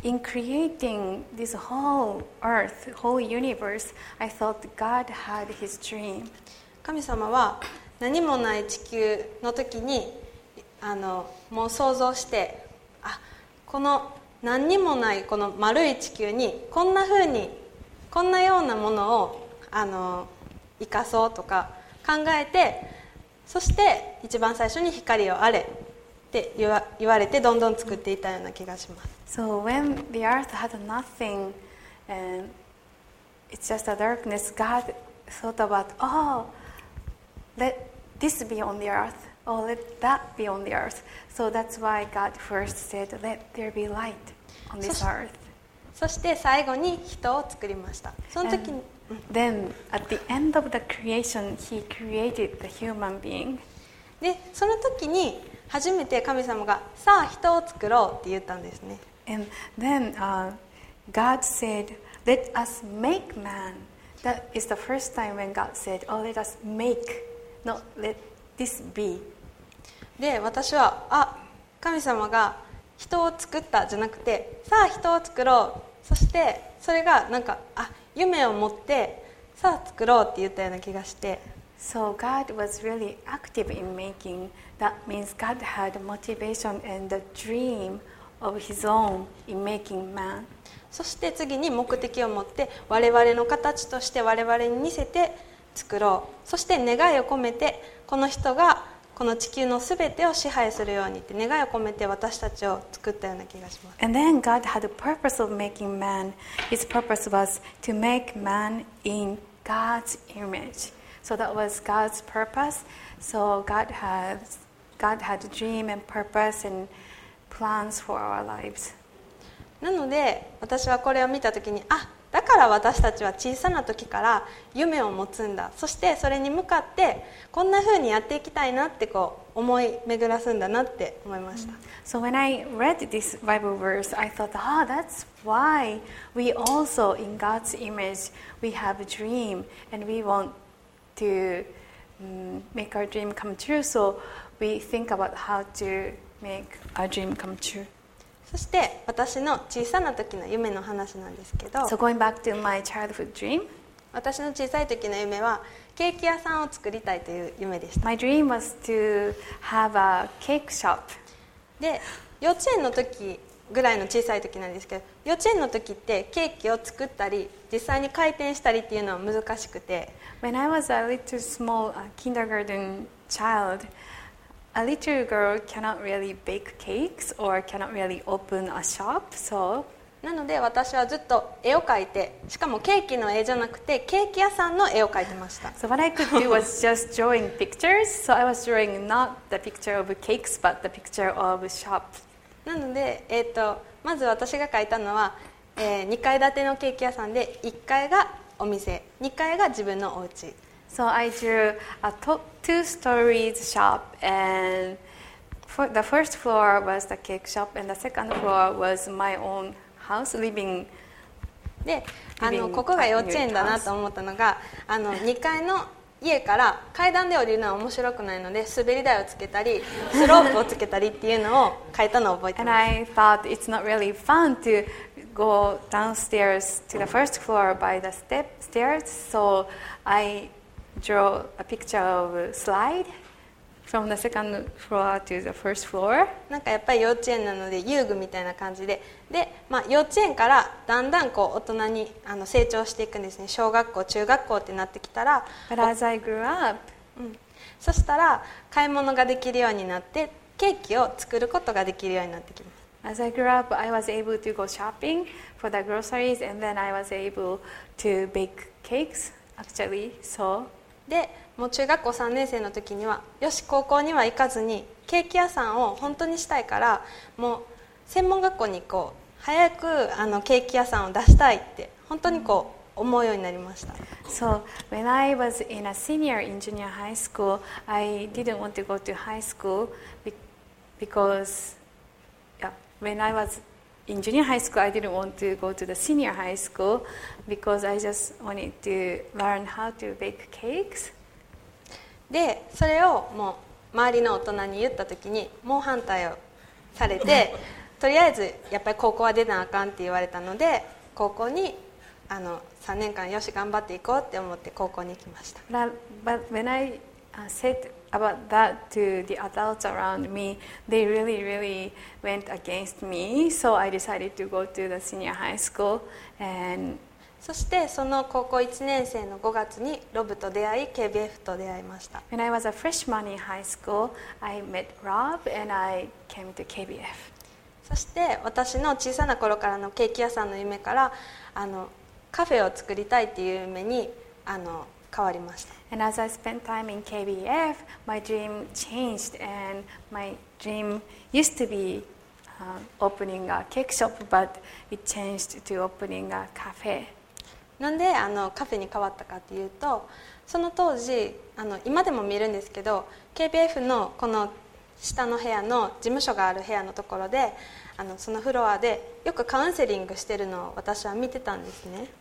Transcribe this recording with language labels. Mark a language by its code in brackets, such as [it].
[en] In creating this whole earth, whole universe, I thought God had his dream. [ja] 神様は何もない地球の時にもう想像して、この何にもないこの丸い地球にこんな風にこんなようなものを生かそうとか考えて、そして一番最初に光をあれって言われてどんどん作っていたような気がします。 [en] So when the earth had nothing and it's just a darkness, God thought about, oh, let this be on the earth, or let that be on the earth. So that's why God first said, let there be light on this earth. [ja] そして最後に人を作りました。その時に、 [en] Then at the end of the creation, he created the human being. [ja] で、その時に初めて神様が、さあ人を作ろうって言ったんですね。 [en] And then God said, "Let us make man." That is the first time when God said, "Oh, let us make, not let this be." [ja] で、私は神様が人を作ったじゃなくて、さあ人を作ろう。そしてそれが夢を持ってさあ作ろうって言ったような気がして。 [en] So God was really active in making. That means God had motivation and the dream. Of his own in making man. [ja] そして次に目的を持って我々の形として我々に似せて作ろう。そして願いを込めてこの人がこの地球のすべてを支配するようにって願いを込めて私たちを作ったような気がします。 [en] And then God had a purpose of making man. His purpose was to make man in God's image. So that was God's purpose. So God had a dream and purpose andplans for our lives. [ja] なので私はこれを見たときに、だから私たちは小さな時から夢を持つんだ、そしてそれに向かってこんな風にやっていきたいなってこう思い巡らすんだなって思いました。 [en] So when I read this Bible verse, I thought, that's why we also in God's image, we have a dream and we want to make our dream come true. So we think about how toMake a dream come true. [ja] そして私の小さな時の夢の話なんですけど、 [en] So going back to my childhood dream, [ja] 私の小さい時の夢はケーキ屋さんを作りたいという夢でした。 [en] My dream was to have a cake shop. [ja] で、幼稚園の時ぐらいの小さい時なんですけど、幼稚園の時ってケーキを作ったり実際に回転したりっていうのは難しくて、 [en] When I was a little small kindergarten childA little girl cannot really bake cakes or cannot really open a shop, so. [ja] なので私はずっと絵を描いて、しかもケーキの絵じゃなくてケーキ屋さんの絵を描いてました。 [en] So what I could do was just drawing pictures. So I was drawing not the picture of cakes, but the picture of shop. [ja] なのでまず私が描いたのは、2階建てのケーキ屋さんで1階がお店、2階が自分のお家。 [en] So I drew a two stories shop, and for the first floor was the cake shop, and the second floor was my own house living. [ja] で、ここが幼稚園だなと思ったのが、2階の家から階段で降りるのは面白くないので、滑り台をつけたり、スロープをつけたりっていうのを描いたのを覚えてます。 [en] And I thought it's not really fun to go downstairs to the first floor by the stairs, so I. Draw a picture of slide. from the second floor to the first floor. [ja] なんかやっぱり幼稚園なので遊具みたいな感じで、で、まあ、幼稚園からだんだんこう大人に成長していくんですね。小学校、中学校ってなってきたら、 [en] But as I grew up, [ja] うん、そしたら買い物ができるようになって、ケーキを作ることができるようになってきます。 [en] As I grew up, I was able to go shopping for the groceries, and then I was able to bake cakes. Actually, so. [ja] で、もう中学校3年生の時には、よし高校には行かずにケーキ屋さんを本当にしたいから、もう専門学校に行こう。早くケーキ屋さんを出したいって本当にこう思うようになりました。 [en] So when I was in a senior in junior high school, I didn't want to go to high school because. When I was in junior high school, I didn't want to go to the senior high school because I just wanted to learn how to bake cakes. [ja] で、それをもう周りの大人に言った時に、もう反対をされて、とりあえずやっぱり高校は出なあかんって言われたので、高校に3年間よし頑張っていこうって思って高校に行きました。 [en] But when I said,About that to the adults around me, they really, really went against me. So I decided to go to the senior high school. And [ja] そしてその高校1年生の5月にロブと出会い、KBF と出会いました。 [en] When I was a freshman in high school, I met Rob and I came to KBF. [ja] そして私の小さな頃からのケーキ屋さんの夢からカフェを作りたいっていう夢に変わりました。 [en] And as I spent time in KBF, my dream changed, and my dream used to be opening a cake shop, but it changed to opening a cafe. [ja] なんでカフェに変わったかというと、その当時今でも見るんですけど、KBF のこの下の部屋の事務所がある部屋のところで、そのフロアでよくカウンセリングしてるのを私は見てたんですね。